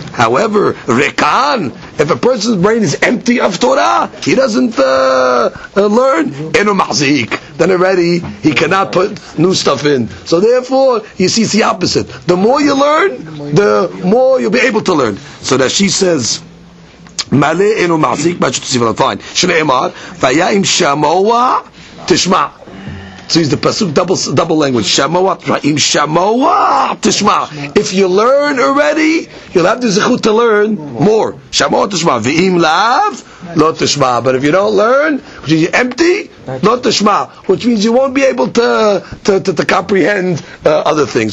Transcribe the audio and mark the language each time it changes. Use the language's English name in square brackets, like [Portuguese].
[English] However, Rekan, if a person's brain is empty of Torah, he doesn't learn Enu Mahzik. Then already, he cannot put new stuff in. So therefore, you see, it's the opposite. The more you learn, the more you'll be able to learn. So that she says, [Hebrew] מלא אינו מחזיק מה שתוסיף על הפיים שנאמר והיה אם שמוע תשמע. [English] So it's the pasuk double language. [Hebrew] Shamoa, im shamoa, tishma. [English] If you learn already, you'll have the zechut to learn more. [Hebrew] Shamoa tishma. V'im lav, lo tishma. [English] But if you don't learn, which means you're empty, [Hebrew] lo tishma. [English] Which means you won't be able to comprehend other things.